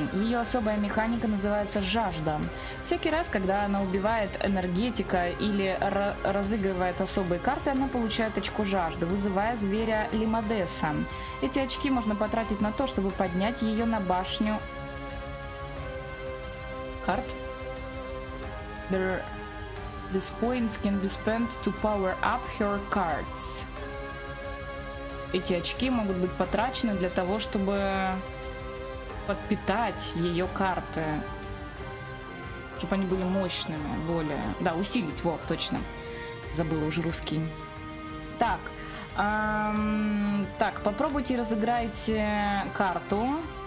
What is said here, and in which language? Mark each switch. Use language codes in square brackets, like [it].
[ru] Ее особая механика называется жажда. Всякий раз, когда она убивает энергетика или разыгрывает особые карты, она получает очко жажды, вызывая зверя Лимадеса. Эти очки можно потратить на то, чтобы поднять ее на башню... Карт? [en] These points can be spent to power up her cards. [ru] Эти очки могут быть потрачены для того, чтобы подпитать ее карты. Чтобы они были мощными, более... Да, усилить, вот, точно. Забыла уже русский. Так. Так, попробуйте разыграть карту.